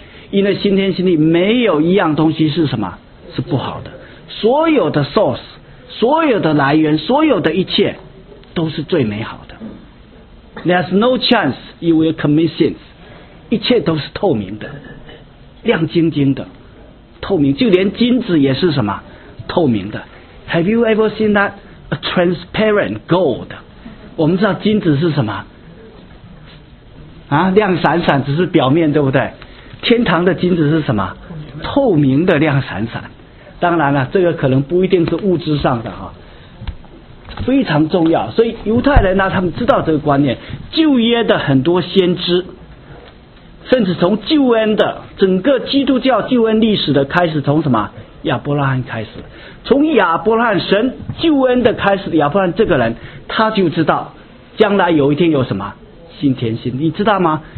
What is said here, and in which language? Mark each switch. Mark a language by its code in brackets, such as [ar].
[zh] 因为新天新地没有一样东西是什么是不好的，所有的 source， 所有的来源，所有的一切都是最美好的。 [en] There's no chance you will commit sins， [zh] 一切都是透明的，亮晶晶的，透明，就连金子也是什么透明的。 [en] Have you ever seen that a transparent gold？ [zh] 我们知道金子是什么啊，亮闪闪，只是表面，对不对？天堂的金子是什么？透明的，亮闪闪。当然了，这个可能不一定是物质上的哈，非常重要。所以犹太人呢，他们知道这个观念。旧约的很多先知，甚至从救恩的整个基督教救恩历史的开始，从什么亚伯拉罕开始，从亚伯拉罕神救恩的开始，亚伯拉罕这个人他就知道将来有一天有什么新天新，你知道吗？